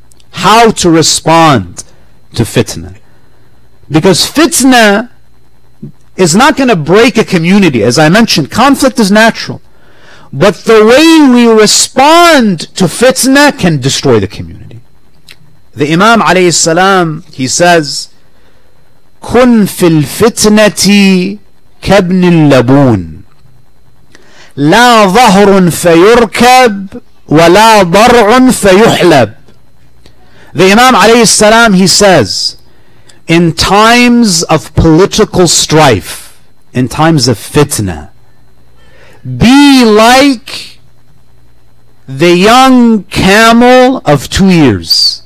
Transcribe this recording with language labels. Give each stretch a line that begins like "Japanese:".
English: How to respond to fitna. Because fitna is not going to break a community. As I mentioned, conflict is natural. But the way we respond to fitna can destroy the community. The Imam alayhi salam, he says,
Arabic: كُنْ فِي الْفِتْنَةِ كَبْنِ اللَّبُونَ لَا ظَهْرٌ فَيُرْكَبْ وَلَا ضَرْعٌ فَيُحْلَبْ.
English: The Imam alayhi salam, he says, in times of political strife, in times of fitna, be like the young camel of 2 years.